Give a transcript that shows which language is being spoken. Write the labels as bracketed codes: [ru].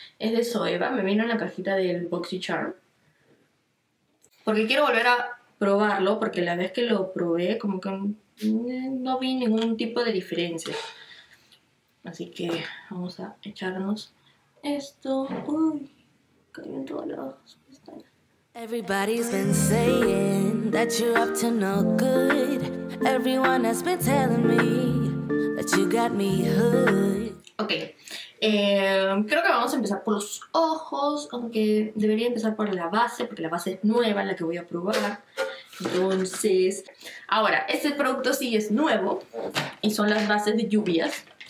[es] Es de Zoeva, me vino en la cajita del BoxyCharm, porque quiero volver a probarlo, porque la vez que lo probé como que no vi ningún tipo de diferencia. Así que vamos a echarnos esto. Uy, cayó en todos los pestañas. [en] Everybody's been saying that you're up to no good. Everyone has been telling me that you got me hooked. [es] Ok, creo que vamos a empezar por los ojos, aunque debería empezar por la base, porque la base es nueva, la que voy a probar. Entonces, ahora, este producto sí es nuevo y son las bases de lluvias.